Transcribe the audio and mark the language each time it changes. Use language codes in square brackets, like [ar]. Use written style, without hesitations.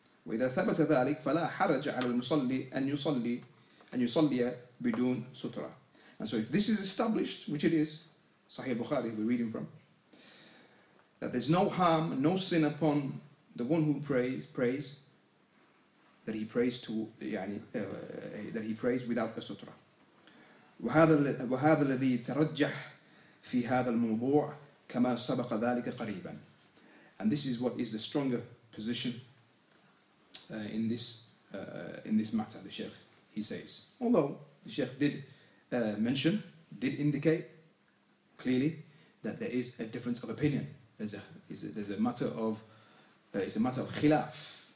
[ar] وَإِذَا ثَبَتَ ذَلِكَ فَلَا حَرَجَ عَلَى الْمُصَلِّي أَنْ يُصَلِّيَ بِدُونَ سُتْرَى. [en] And so if this is established, which it is, Sahih Bukhari we're reading from, that there's no harm, no sin upon the one who prays, that he prays to يعني, that he prays without a sutra. [ar] وهذا الذي ترجح في هذا الموضوع كما سبق ذلك قريبا. [en] And this is what is the stronger position in this matter, the Sheikh he says. Although the Sheikh did indicate clearly that there is a difference of opinion. There's a matter of khilaf.